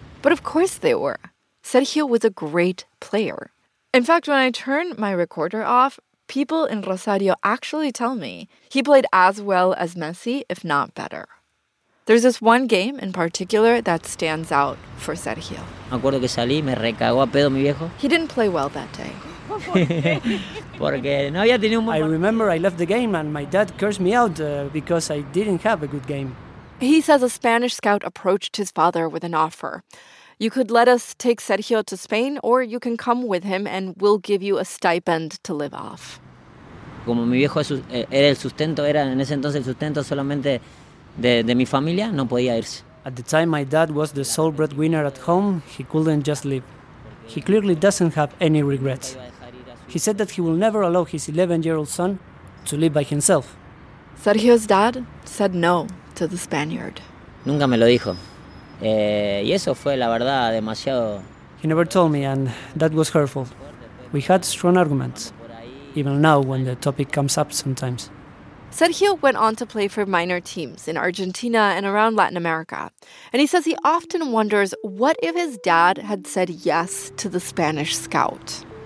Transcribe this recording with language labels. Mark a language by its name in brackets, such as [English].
[English] But of course they were. Sergio was a great player. In fact, when I turn my recorder off, people in Rosario actually tell me he played as well as Messi, if not better. There's this one game in particular that stands out for Sergio. [Spanish] Me acuerdo que salí, me recagó a pedo mi viejo. [English] He didn't play well that day. [Spanish] Porque no había tenido un buen... [English] I remember I left the game and my dad cursed me out because I didn't have a good game. He says a Spanish scout approached his father with an offer. You could let us take Sergio to Spain, or you can come with him and we'll give you a stipend to live off. [Spanish] Como mi viejo era el sustento, era en ese entonces el sustento solamente de mi familia, no podía irse. [English] At the time, my dad was the sole breadwinner at home. He couldn't just leave. He clearly doesn't have any regrets. He said that he will never allow his 11-year-old son to live by himself. Sergio's dad said no to the Spaniard. [Spanish] Nunca me lo dijo. Y eso fue, la verdad, demasiado... [English] He never told me, and that was hurtful. We had strong arguments, even now when the topic comes up sometimes. Sergio went on to play for minor teams in Argentina and around Latin America. And he says he often wonders, what if his dad had said yes to the Spanish scout?